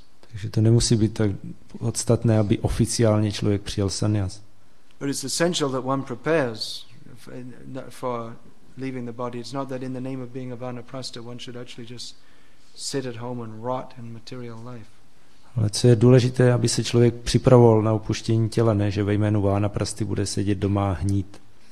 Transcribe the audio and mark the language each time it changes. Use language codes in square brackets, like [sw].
[cs] Takže to nemusí být tak podstatné, aby oficiálně člověk přijal sannyas. [en] But it's essential that one prepares for leaving the body. It's not that in the name of being a vanaprasta one should actually just sit at home and rot in material life. [cs] Ale co je důležité, aby se člověk připravoval na opuštění těla, ne že ve jménu vánaprasty bude sedět doma a hnít.